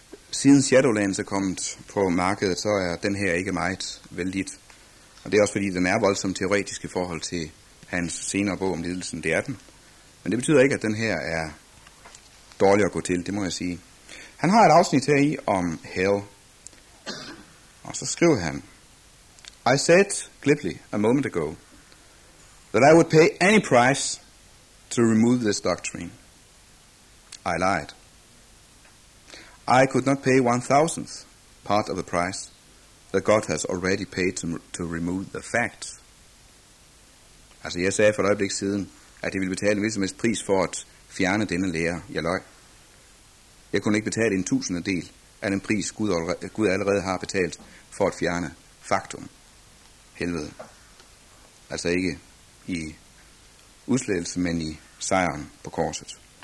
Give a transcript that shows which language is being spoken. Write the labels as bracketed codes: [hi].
[da] Siden Shadowlands er kommet på markedet, så er den her ikke meget vældigt. Og det er også fordi, den er voldsomt teoretisk i forhold til hans senere bog om lidelsen. Det er den. Men det betyder ikke, at den her er dårlig at gå til, det må jeg sige. Han har et afsnit her i om hell. Og så skriver han: [en] I said glibly a moment ago that I would pay any price to remove this doctrine. I lied. I could not pay 1/1000th part of the price that God has already paid to remove the facts. [da] Altså, jeg sagde for et øjeblik siden, at jeg ville betale en vissemest pris for at fjerne denne lære. Jeg løg. Jeg kunne ikke betale en tusindedel af den pris, Gud allerede har betalt for at fjerne faktum. Helvede. Altså ikke i udslettelse, men i sejren på korset.